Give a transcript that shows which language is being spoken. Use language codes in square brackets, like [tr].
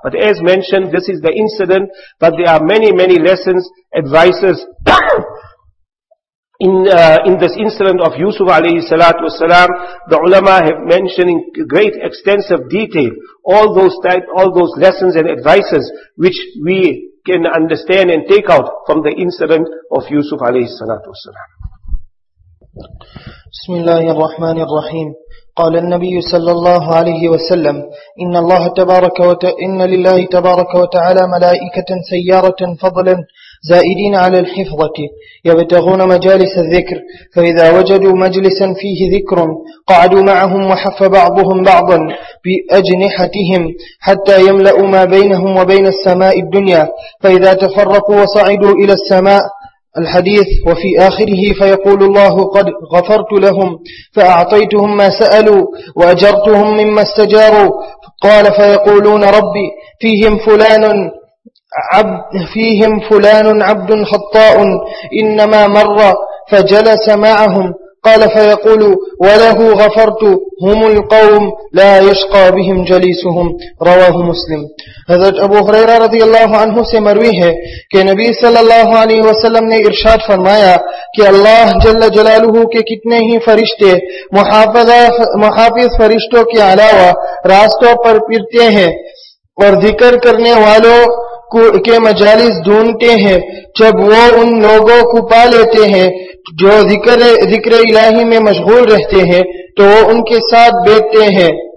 [en] But as mentioned, this is the incident, but there are many, many lessons, advices in this incident of Yusuf alayhi salatu wasalam. The ulama have mentioned in great extensive detail all those lessons and advices which we can understand and take out from the incident of Yusuf alayhi salatu wasalam. [ar] Bismillahir Rahmanir Rahim. قال النبي صلى الله عليه وسلم إن الله تبارك إن لله تبارك وتعالى ملائكة سيارة فضلا زائدين على الحفظة يبتغون مجالس الذكر فإذا وجدوا مجلسا فيه ذكر قعدوا معهم وحف بعضهم بعضا بأجنحتهم حتى يملأوا ما بينهم وبين السماء الدنيا فإذا تفرقوا وصعدوا إلى السماء الحديث وفي آخره فيقول الله قد غفرت لهم فأعطيتهم ما سألوا وأجرتهم مما استجاروا قال فيقولون ربي فيهم فلان عبد خطاء إنما مر فجلس معهم قال فيقول وله غفرت هم القوم لا يشقى بهم جليسهم رواه مسلم. [ur] حضرت ابو ہریرہ رضی اللہ عنہ سے مروی ہے کہ نبی صلی اللہ علیہ وسلم نے ارشاد فرمایا کہ اللہ جل جلالہ کے کتنے ہی فرشتے محافظ فرشتوں کے علاوہ راستوں پر پھرتے ہیں اور ذکر کرنے والوں کے مجالس ڈھونڈتے ہیں جب وہ ان لوگوں کو پا لیتے ہیں جو ذکر الہی میں مشغول رہتے ہیں تو وہ ان کے ساتھ بیٹھتے ہیں